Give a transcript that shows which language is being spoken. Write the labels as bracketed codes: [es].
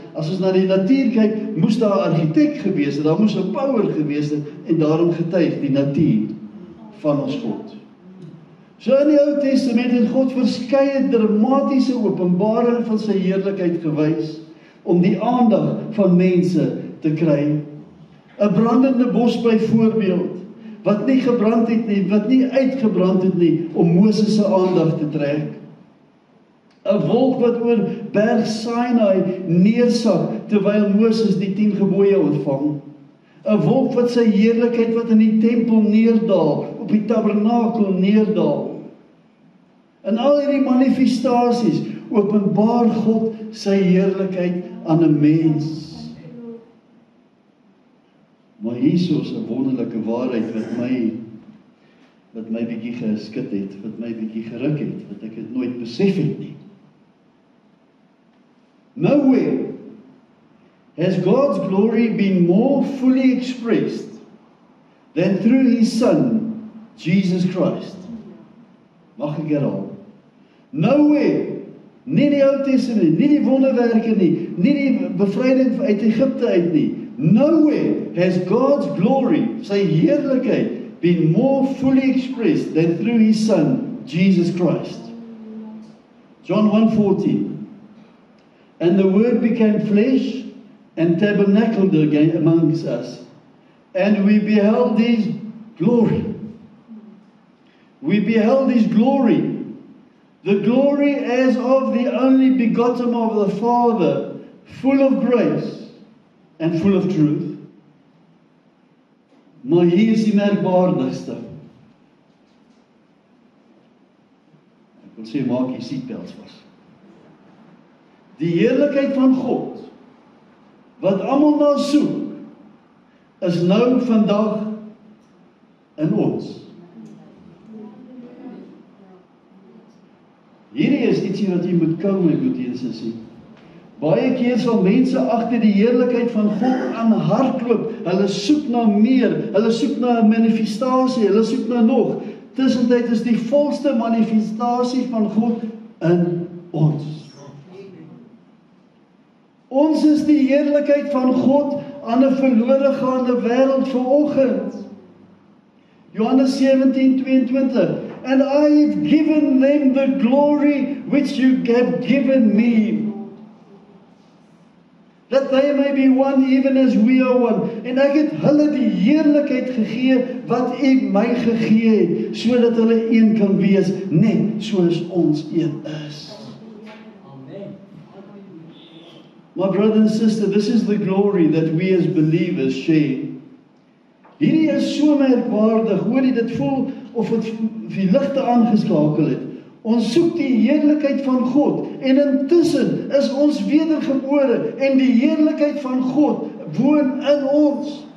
[af] As ons na die natuur kyk, moes daar 'n argitek gewees het, daar moes 'n bouer gewees het, en daarom getuig die natuur van ons God. So in die Ou Testament het God verskeie dramatiese openbaring van sy heerlikheid gewys, om die aandag van mense te kry. 'N brandende bos byvoorbeeld, wat nie gebrand het nie, wat nie uitgebrand het nie, om Moses se aandag te trek. 'N wolk wat oor berg Sinai neersak, terwyl Moses die 10 gebooie ontvang. 'N wolk wat sy heerlikheid wat in die tempel neerdaal, op die tabernakel neerdaal. In al hierdie manifestasies openbaar God sy heerlikheid aan 'n mens. Maar hiersoos 'n wonderlike waarheid wat my bietjie geskud het, wat my bietjie geruk het, wat ek het nooit besef het nie. [en] Nowhere has God's glory been more fully expressed than through his son Jesus Christ. [af] Mag ek herhaal? Nowhere, nie die Ou Testament, nie die wonderwerke nie, nie die bevryding uit Egipte uit nie. [en] Nowhere has God's glory, [af] sy heerlikheid, [en] been more fully expressed than through his son, Jesus Christ. John 1:14. And the word became flesh and tabernacled again amongst us. And we beheld his glory. We beheld his glory. The glory as of the only begotten of the Father, full of grace and full of truth. [af] Maar hier is die merkwaardigste. Ek wil sê, maak jy seatbelts vas. Die heerlikheid van God, wat almal na soek, is nou vandag in ons. Hierdie is ietsie wat jy moet kom en moet eens sien. Baie keer sal mense agter die heerlikheid van God aan hardloop. Hulle soek na meer, hulle soek na 'n manifestasie, hulle soek na nog. Tussentyd is die volste manifestasie van God in ons. Ons is die heerlikheid van God aan 'n verlore gaande wêreld vanoggend. Johannes 17:22. [en] And I have given them the glory which you have given me, that they may be one even as we are one. [af] En ek het hulle die heerlikheid gegee wat u my gegee het, sodat hulle een kan wees, net soos ons een is. Amen. [en] My brother and sister, this is the glory that we as believers share. [af] Hierdie is so merkwaardig, hoor jy, dit voel of het die ligte aangeskakel het. Ons soek die heerlikheid van God en intussen is ons wedergebore en die heerlikheid van God woon in ons.